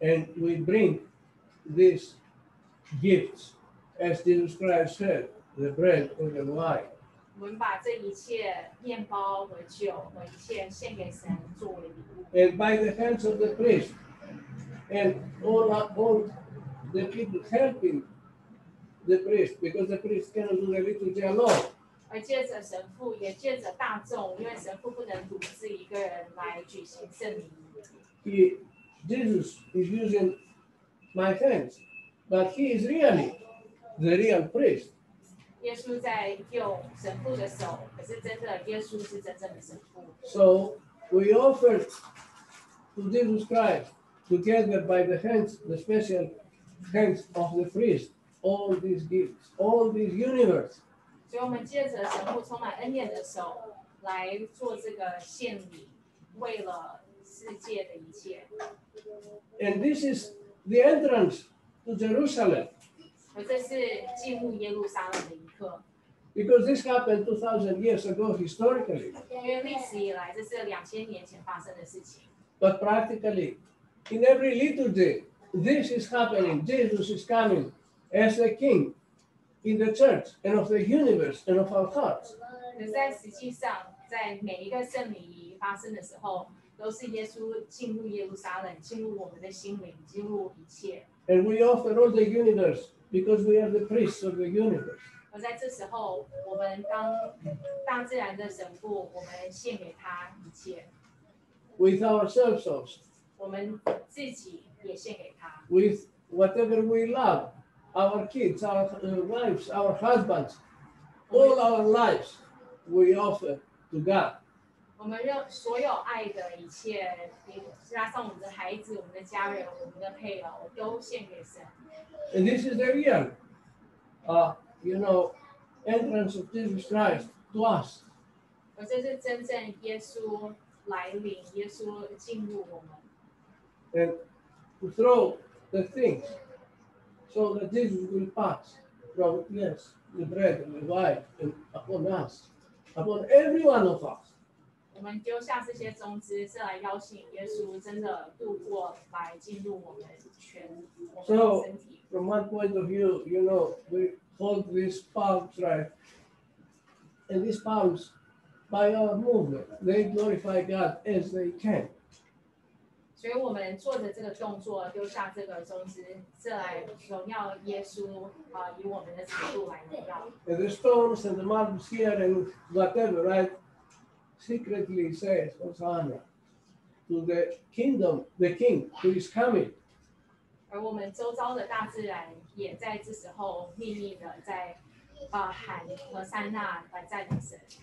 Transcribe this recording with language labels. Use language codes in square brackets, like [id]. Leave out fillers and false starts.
[en] And we bring these gifts, as Jesus Christ said, the bread and the wine. We bring all these bread, bread, and wine, and everything to God as a gift. And by the hands of the priest, and all the people helping,The priest, because the priest cannot do the liturgy alone. [zh] 而借着神父，也借着大众，因为神父不能独自一个人来举行圣礼。 [en] Jesus is using my hands, but he is really the real priest. [zh] 耶稣在用神父的手，可是真的耶稣是真正的神父。 [en] So we offer to Jesus Christ together by the hands, the special hands of the priest. All these gifts, all this universe. So we use the [zh] 神父充满恩典的手来做这个献礼，为了世界的一切。 [en] And this is the entrance to Jerusalem. [zh] 而这是进入耶路撒冷的一刻。 [en] Because this happened 2,000 years ago historically. [zh] 因为历史以来，这是2000年前发生的事情。 [en] But practically, in every liturgy, this is happening. Jesus is coming. As a king in the church and of the universe and of our hearts. [zh] 可是在实际上，在每一个圣礼仪发生的时候，都是耶稣进入耶路撒冷，进入我们的心灵，进入一切。 [en] And we offer all the universe because we are the priests of the universe. [zh] 而在这时候，我们当大自然的神父，我们献给他一切。 [en] With ourselves also. [zh] 我们自己也献给他。 [en] With whatever we love, our kids, our wives, our husbands, all our lives, we offer to God. [zh] 我们要所有爱的一切，加上我们的孩子、我们的家人、我们的配偶，都献给神。 [en] And this is the real, you know, entrance of Jesus Christ to us. [zh] 而这是真正耶稣来临，耶稣进入我们。 [en] And to throw the things so that Jesus will pass from yes, the bread and the wine and upon us, upon every one of us. [zh] 我们丢下这些种子，是来邀请耶稣真的度过，来进入我们全我们身体。 [en] So, from one point of view, you know, we hold these palms, right? And these palms, by our movement, they glorify God as they can. [zh] 所以我们做的这个动作，丢下这个种子，是来荣耀耶稣，以我们的程度来荣耀。 [en] And the stones and the marbles here and whatever, right? Secretly says Hosanna to the kingdom, the king who is coming. [zh] 而我们周遭的大自然也在这时候秘密的在喊Hosanna，来赞美神。